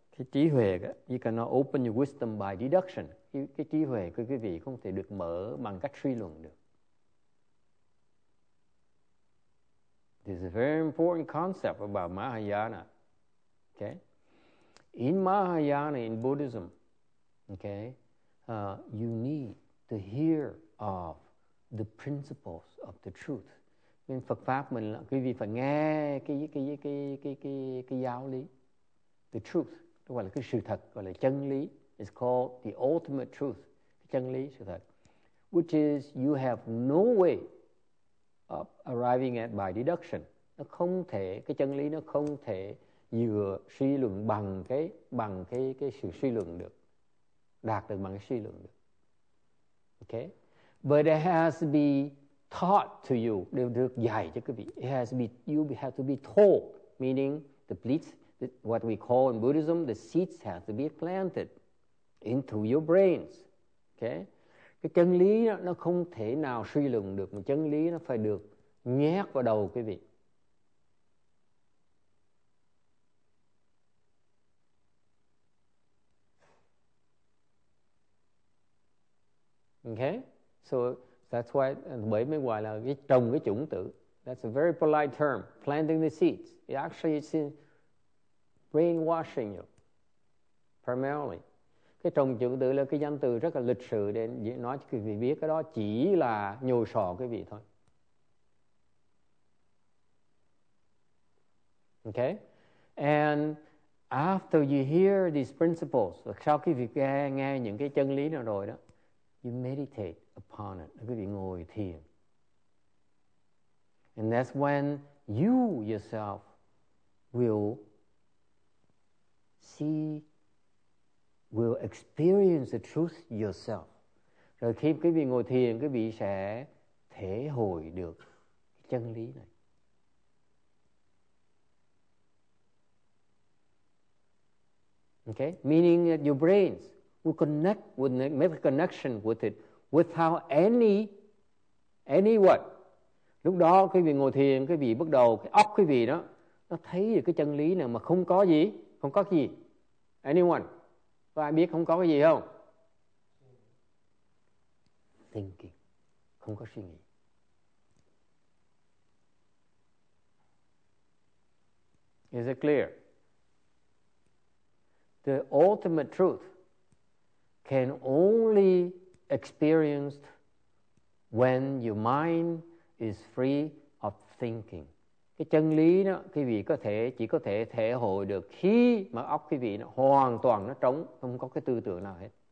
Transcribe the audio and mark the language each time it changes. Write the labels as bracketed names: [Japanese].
[Vietnamese] Cái trí huệ, [English] you cannot open your wisdom by deduction. [Vietnamese] Cái trí huệ của quý vị không thể được mở bằng cách suy luận được. [English] This is a very important concept about Mahayana. Okay? In Mahayana, in Buddhism, okay, you need to hear of the principles of the truth. [Vietnamese] In Phật pháp mình là quý vị phải nghe cái giáo lý, [English] the truth, [Vietnamese] gọi là cái sự thật, gọi là chân lý. [English] It's called the ultimate truth, [Vietnamese] chân lý, sự thật, [English] which is you have no way of arriving at by deduction. [Vietnamese] Nó không thể, cái chân lý nó không thể vừa suy luận bằng cái sự suy luận được, đạt được bằng cái suy luận được. [English] Okay, but it has to be taught to you, [Vietnamese] được dạy cho quý vị. [English] You have to be told, meaning the seeds, what we call in Buddhism, the seeds have to be planted into your brains. Okay. [Vietnamese] Cái chân lý nó không thể nào suy luận được, mà chân lý nó phải được nhét vào đầu quý vị. [English] Okay? So that's why, [Vietnamese] bởi mới gọi là cái trồng cái chủng tử. [English] That's a very polite term, planting the seeds. It actually is brainwashing you, primarily. [Vietnamese] Cái trồng chủng tử là cái danh từ rất là lịch sự để nói cho quý vị biết cái đó chỉ là nhồi sọ quý vị thôi. [English] Okay? And after you hear these principles, [Vietnamese] sau khi việc nghe những cái chân lý nào rồi đó, [English] you meditate upon it. [Vietnamese] Quý vị ngồi thiền. [English] And that's when you yourself will see, will experience the truth yourself. [Vietnamese] Rồi khi quý vị ngồi thiền, quý vị sẽ thể hội được chân lý này. [English] Okay, meaning that your brains will connect, will make a connection with it without any what? [Vietnamese] Lúc đó quý vị ngồi thiền, quý vị bắt đầu cái óc quý vị đó nó thấy được cái chân lý này mà không có gì, không có gì. [English] Anyone? [Vietnamese] Có ai biết không có cái gì không? [English] Thinking. [Vietnamese] Không có suy nghĩ. [English] Is it clear? The ultimate truth can only experienced when your mind is free of thinking. [Vietnamese] Cái chân lý đó, quý vị chỉ có thể thể hội được khi mà óc quý vị nó hoàn toàn nó trống, không có cái tư tưởng nào hết.